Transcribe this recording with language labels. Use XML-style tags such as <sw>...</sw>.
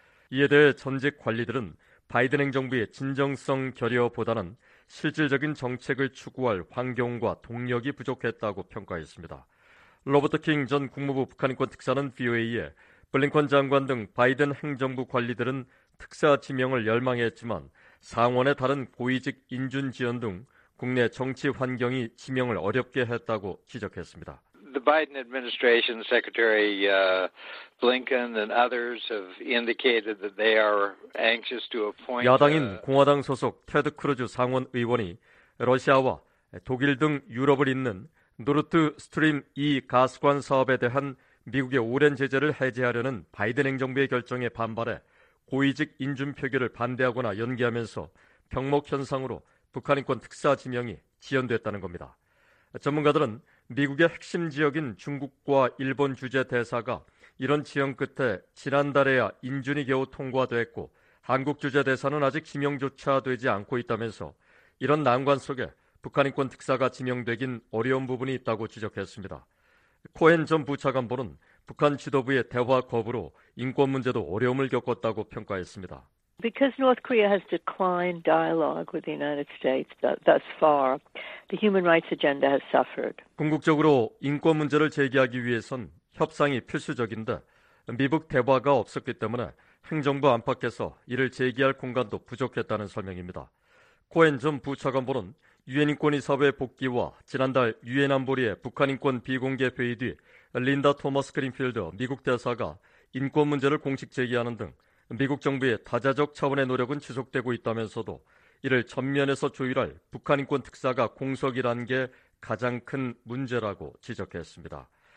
<ko>이에 대해 전직 관리들은 바이든 행정부의 진정성 결여보다는 실질적인 정책을 추구할 환경과 동력이 부족했다고 평가했습니다. 로버트 킹 전 국무부 북한인권 특사는 VOA에 블링컨 장관 등 바이든 행정부 관리들은 특사 지명을 열망했지만 상원의 다른 고위직 인준 지연 등 국내 정치 환경이 지명을 어렵게 했다고 지적했습니다.</ko> <en>The Biden administration secretary Blinken and others have indicated that they are anxious to appoint</en> <ko>야당인 공화당 소속 테드 크루즈 상원 의원이 러시아와 독일 등 유럽을 잇는 노르트 스트림 2 가스관 사업에 대한 미국의 오랜 제재를 해제하려는 바이든 행정부의 결정에 반발해 고위직 인준 표결을 반대하거나 연기하면서 병목 현상으로 북한 인권 특사 지명이 지연됐다는 겁니다. 전문가들은 미국의 핵심 지역인 중국과 일본 주재 대사가 이런 지연 끝에 지난달에야 인준이 겨우 통과됐고 한국 주재 대사는 아직 지명조차 되지 않고 있다면서 이런 난관 속에 북한 인권 특사가 지명되긴 어려운 부분이 있다고 지적했습니다. 코헨 전 부차관보는 북한 지도부의 대화 거부로 인권 문제도 어려움을 겪었다고 평가했습니다.</ko> <en>Because North Korea has declined dialogue with the United States thus far, the human rights agenda has suffered.</en> <ko>궁극적으로 인권 문제를 제기하기 위해선 협상이 필수적인데 미북 대화가 없었기 때문에 행정부 안팎에서 이를 제기할 공간도 부족했다는 설명입니다. 코헨 전 부차관보는 유엔인권이사회 복귀와 지난달 유엔 안보리의 북한인권 비공개 회의 뒤 린다 토머스 그린필드 미국 대사가 인권 문제를 공식 제기하는 등 미국 정부의 다자적 차원의 노력은 지속되고 있다면서도 이를 전면에서 조율할 북한인권 특사가 공석이란 게 가장 큰 문제라고 지적했습니다.</ko>